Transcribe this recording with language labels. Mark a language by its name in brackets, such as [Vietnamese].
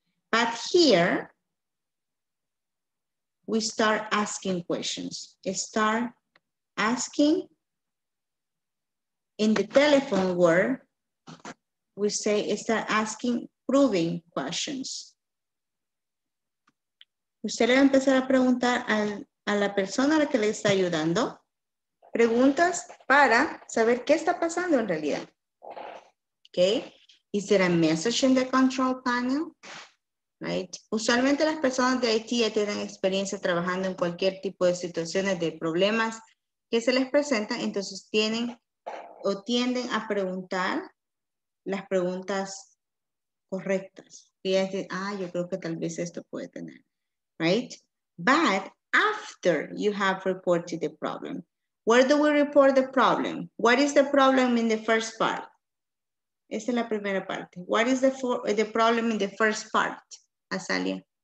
[English] But here, we start asking questions. Start asking. In the telephone word, we say, start asking proving questions. [Spanish] Usted le va a empezar a preguntar a la persona a la que le está ayudando preguntas para saber qué está pasando en realidad. Okay. [English] Is there a message in the control panel? Right. [Spanish] Usualmente las personas de IT ya tienen experiencia trabajando en cualquier tipo de situaciones de problemas que se les presentan, entonces tienen o tienden a preguntar las preguntas correctas. Y es de, ah, yo creo que tal vez esto puede tener. [English] Right? But after you have reported the problem, where do we report the problem? What is the problem in the first part? [Spanish] Esa es la primera parte. [English] What is the problem in the first part? Azalia.